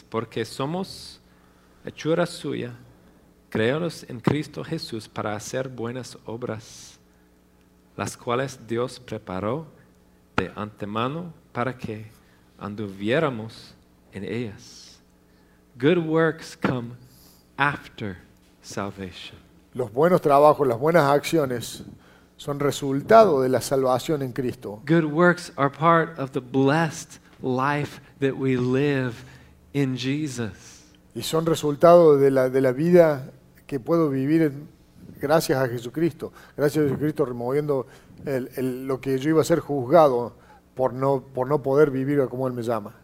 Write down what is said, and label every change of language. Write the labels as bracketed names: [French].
[Spanish] Porque somos hechura suya, creados en Cristo Jesús para hacer buenas obras, las cuales Dios preparó de antemano para que anduviéramos en ellas. [English] Good works come after salvation. [Spanish] Los buenos trabajos, las buenas acciones son resultado de la salvación en Cristo. [English] Good works are part of the blessed life that we live in Jesus. [Spanish] Y son resultado de la vida que puedo vivir en, gracias a Jesucristo. Gracias a Jesucristo removiendo lo que yo iba a ser juzgado por no poder vivir como Él me llama.